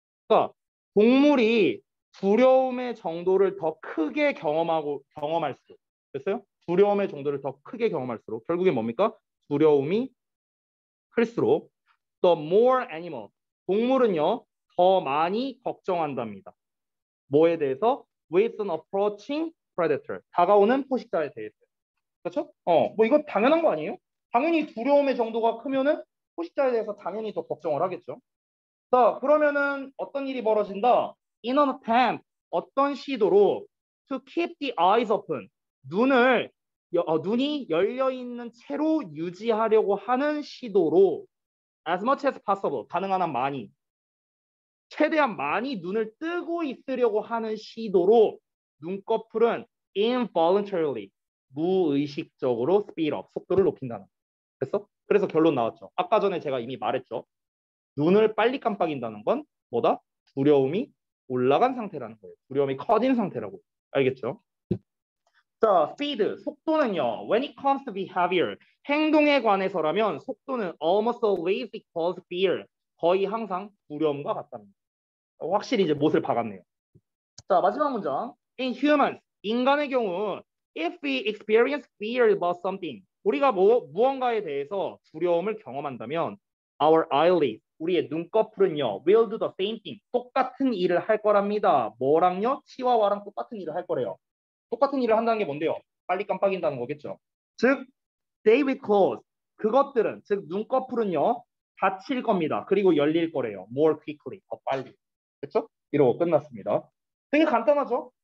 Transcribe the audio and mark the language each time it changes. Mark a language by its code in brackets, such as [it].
[ko] 그러니까 동물이 두려움의 정도를 더 크게 경험할수록 됐어요? 두려움의 정도를 더 크게 경험할수록 결국에 뭡니까? 두려움이 클수록 [en] the more animal [ko] 동물은요 더 많이 걱정한답니다. 뭐에 대해서? [en] with an approaching predator [ko] 다가오는 포식자에 대해서. 그렇죠? 뭐 이거 당연한 거 아니에요? 당연히 두려움의 정도가 크면은 포식자에 대해서 당연히 더 걱정을 하겠죠. 자 그러면은 어떤 일이 벌어진다? [en] In an attempt, [ko] 어떤 시도로 [en] to keep the eyes open, [ko] 눈이 열려있는 채로 유지하려고 하는 시도로 [en] as much as possible, [ko] 가능한 한 많이, 최대한 많이 눈을 뜨고 있으려고 하는 시도로 눈꺼풀은 involuntarily, 무의식적으로 [en] speed up, [ko] 속도를 높인다는. 됐어? 그래서 결론 나왔죠. 아까 전에 제가 이미 말했죠. 눈을 빨리 깜빡인다는 건 뭐다? 두려움이 올라간 상태라는 거예요. 두려움이 커진 상태라고. 알겠죠? 자, speed, 속도는요. [en] When it comes to behavior, [ko] 행동에 관해서라면 속도는 [en] almost always equals fear. [ko] 거의 항상 두려움과 같답니다. 확실히 이제 못을 박았네요. 자, 마지막 문장. [en] In humans, [ko] 인간의 경우, [en] if we experience fear about something, [ko] 우리가 무언가에 대해서 두려움을 경험한다면 [en] our eyelids, [ko] 우리의 눈꺼풀은요, [en] will do the same thing. [ko] 똑같은 일을 할 거랍니다. 뭐랑요? 치와와랑 똑같은 일을 할 거래요. 똑같은 일을 한다는 게 뭔데요? 빨리 깜빡인다는 거겠죠. [en] 즉, they will close. [ko] 그것들은, 즉 눈꺼풀은요, 닫힐 겁니다. 그리고 열릴 거래요. [en] More quickly, [ko] 더 빨리. 그렇죠? 이러고 끝났습니다. 되게 간단하죠?